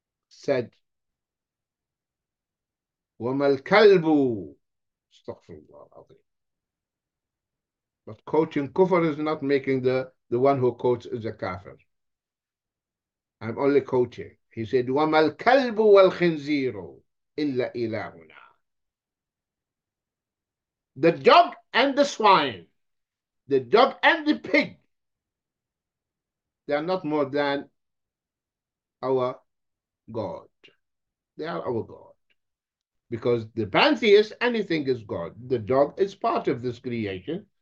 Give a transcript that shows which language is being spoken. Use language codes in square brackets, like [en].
[en] Said, [ar] وَمَا الْكَلْبُ استغفر الله العظيم. [en] But quoting kufr is not making the one who quotes is a kafir. I'm only quoting. He said, [ar] وَمَا الْكَلْبُ وَالْخِنْزِيرُ إِلَّا إِلَهُنَا. [en] The dog and the swine, the dog and the pig, they are not more than our God. They are our God. Because the pantheist, anything is God. The dog is part of this creation.